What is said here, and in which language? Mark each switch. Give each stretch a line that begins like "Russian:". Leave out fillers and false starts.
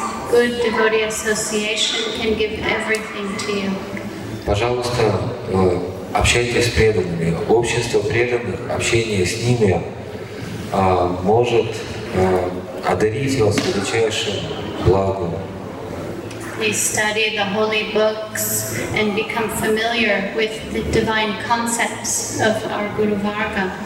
English: Good devotee association can give everything to you.
Russian: Пожалуйста, общайтесь с преданными. Общество преданных, общение с ними может одарить вас величайшим благом.
English: Please study the holy books and become familiar with the divine concepts of our Guru Varga.